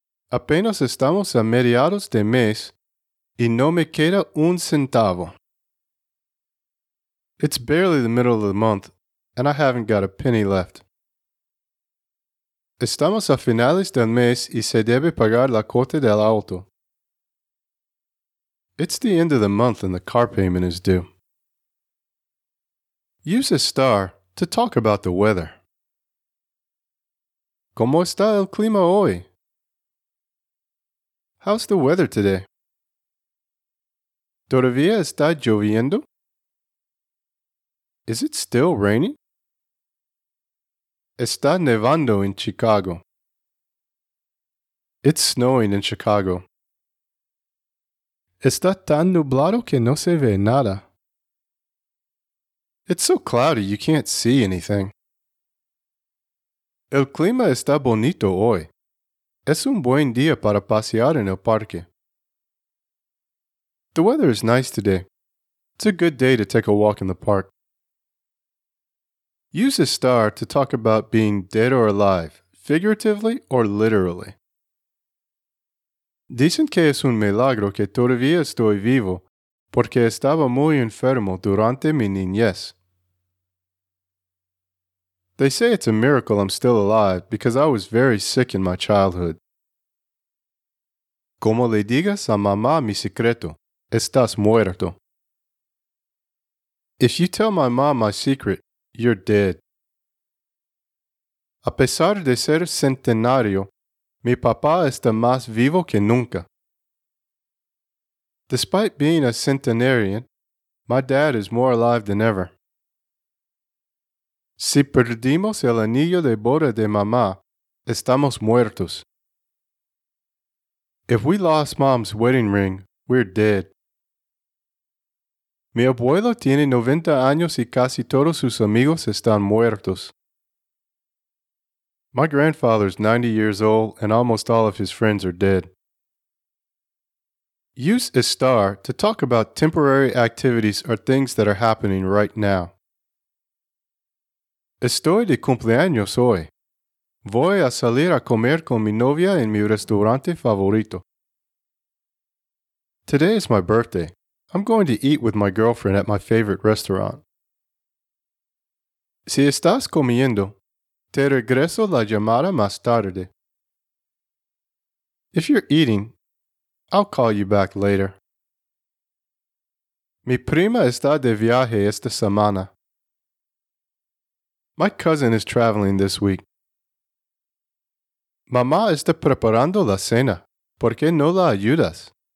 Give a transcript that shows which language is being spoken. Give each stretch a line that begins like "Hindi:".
Spanish: Apenas estamos a mediados de mes y no me queda un centavo.
English: It's barely the middle of the month and I haven't got a penny left.
Spanish: Estamos a finales del mes y se debe pagar la cuota del auto.
English: It's the end of the month and the car payment is due. Use a star to talk about the weather.
Spanish: ¿Cómo está el clima hoy?
English: How's the weather today?
Spanish: ¿Todavía está lloviendo?
English: Is it still raining?
Spanish: Está nevando en Chicago.
English: It's snowing in Chicago.
Spanish: Está tan nublado que no se ve nada.
English: It's so cloudy you can't see anything.
Spanish: El clima está bonito hoy. Es un buen día para pasear en el parque.
English: The weather is nice today. It's a good day to take a walk in the park. Use a star to talk about being dead or alive, figuratively or literally.
Spanish: Dicen que es un milagro que todavía estoy vivo porque estaba muy enfermo durante mi niñez.
English: They say it's a miracle I'm still alive because I was very sick in my childhood.
Spanish: Como le digas a mamá mi secreto, estás muerto.
English: If you tell my mom my secret, you're dead.
Spanish: A pesar de ser centenario, mi papá está más vivo que nunca.
English: Despite being a centenarian, my dad is more alive than ever.
Spanish: Si perdimos el anillo de boda de mamá, estamos muertos.
English: If we lost mom's wedding ring, we're dead.
Spanish: Mi abuelo tiene 90 años y casi todos sus amigos están muertos.
English: My grandfather is 90 years old and almost all of his friends are dead. Use a star to talk about temporary activities or things that are happening right now.
Spanish: Estoy de cumpleaños hoy. Voy a salir a comer con mi novia en mi restaurante favorito.
English: Today is my birthday. I'm going to eat with my girlfriend at my favorite restaurant.
Spanish: Si estás comiendo, te regreso la llamada más tarde.
English: If you're eating, I'll call you back later.
Spanish: Mi prima está de viaje esta semana.
English: My cousin is traveling this week.
Spanish: Mamá está preparando la cena. ¿Por qué no la ayudas?